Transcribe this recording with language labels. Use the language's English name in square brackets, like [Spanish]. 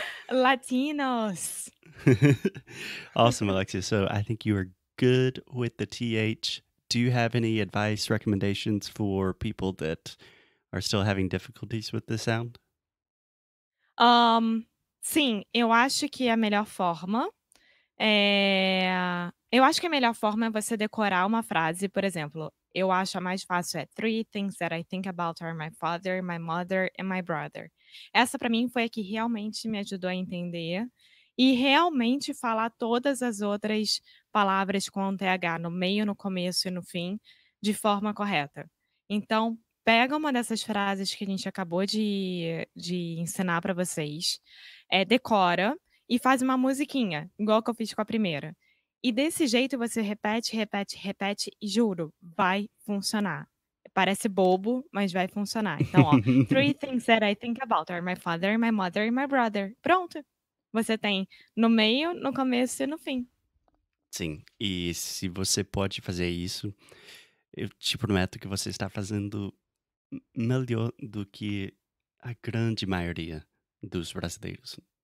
[English] Latinos. Awesome, Alexia. So I think you are good with the TH. Do you have any advice, recommendations for people that are still having difficulties with the sound? [Portuguese] Sim, eu acho que a melhor forma é... Eu acho que a melhor forma é você decorar uma frase, por exemplo. Eu acho a mais fácil é [English] three things that I think about are my father, my mother and my brother. [Portuguese] Essa para mim foi a que realmente me ajudou a entender. E realmente falar todas as outras palavras com TH no meio, no começo e no fim de forma correta. Então, pega uma dessas frases que a gente acabou de ensinar para vocês. É, decora e faz uma musiquinha, igual que eu fiz com a primeira. E desse jeito você repete, repete, repete e juro, vai funcionar. Parece bobo, mas vai funcionar. Então, ó, [English] three things that I think about are my father, my mother and my brother. [Portuguese] Pronto. Você tem no meio, no começo e no fim. Sim. E se você pode fazer isso, eu te prometo que você está fazendo melhor do que a grande maioria dos brasileiros.